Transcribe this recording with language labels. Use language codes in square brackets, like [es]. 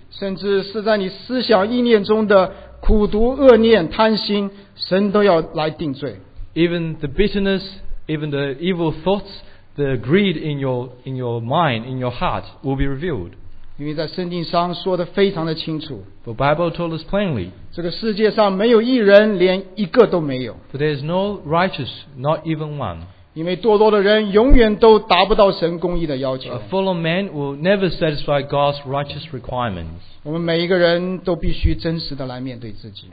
[zh] 甚至是在你思想意念中的苦毒、恶念、贪心，神都要来定罪。 [en] Even the bitterness, even the evil thoughts, the greed in your mind, in your heart, will be revealed. [zh] 因为在圣经上说的非常的清楚。 [en] The Bible told us plainly. [zh] 这个世界上没有一人，连一个都没有。 [en] But there is no righteous, not even one. [zh] 因为堕落的人永远都达不到神公义的要求。 [en] A fallen man will never satisfy God's righteous requirements. [zh] 我们每一个人都必须真实的来面对自己。